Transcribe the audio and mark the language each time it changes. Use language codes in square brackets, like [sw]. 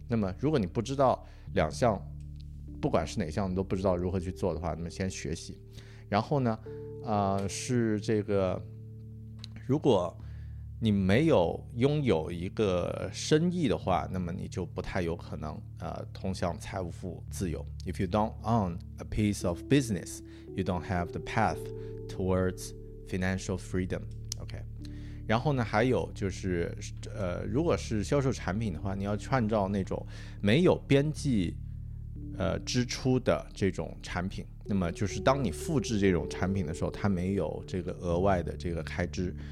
[zh] 那么如果你不知道两项，不管是哪项你都不知道如何去做的话，那么先学习。然后呢是这个如果你没有拥有一个生意的话，那么你就不太有可能通向财富自由。 [en] If you don't own a piece of business, you don't have the path towards financial freedom. [zh] OK， 然后呢还有就是如果是销售产品的话，你要创造那种没有边际支出的这种产品，那么就是当你复制这种产品的时候，它没有这个额外的这个开支。